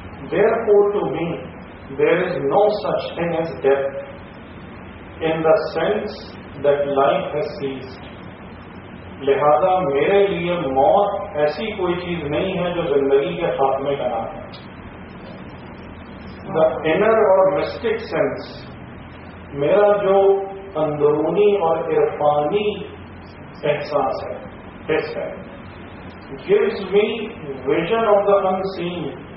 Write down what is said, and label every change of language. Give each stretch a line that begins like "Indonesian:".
English: Therefore to me there is no such thing as death in the sense that life has ceased.
Urdu: لہذا میرے لیے موت ایسی کوئی چیز نہیں ہے جو زندگی کے خاتمے کا نام ہے.
English: The inner or mystic sense,
Urdu: میرا جو اندرونی اور عرفانی احساس ہے حس ہے,
English: gives me vision of the unseen.